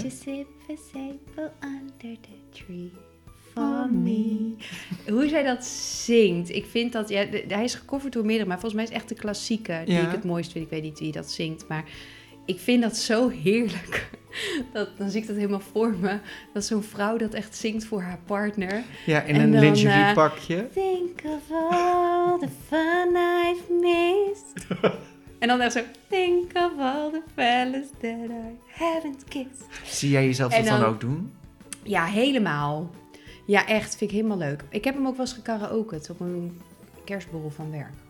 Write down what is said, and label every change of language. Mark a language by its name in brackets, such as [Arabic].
[English] Just sip a sample under the tree for me. [Dutch] Hoe zij dat zingt. Ik vind dat... Ja, hij is gecoverd door meerdere, maar volgens mij is echt de klassieke die ik het mooist vind. Ik weet niet wie dat zingt, maar ik vind dat zo heerlijk. Dan zie ik dat helemaal voor me. Dat zo'n vrouw dat echt zingt voor haar partner. Ja, in een lingeriepakje. [English] Think of all the fun I've missed. [Dutch] En dan echt zo... [English] Think of all the fellas that I haven't kissed. [Dutch] Zie jij jezelf dat dan ook doen? Ja, helemaal. Ja, echt. Vind ik helemaal leuk. Ik heb hem ook wel eens gekaraokeerd op een kerstborrel van werk.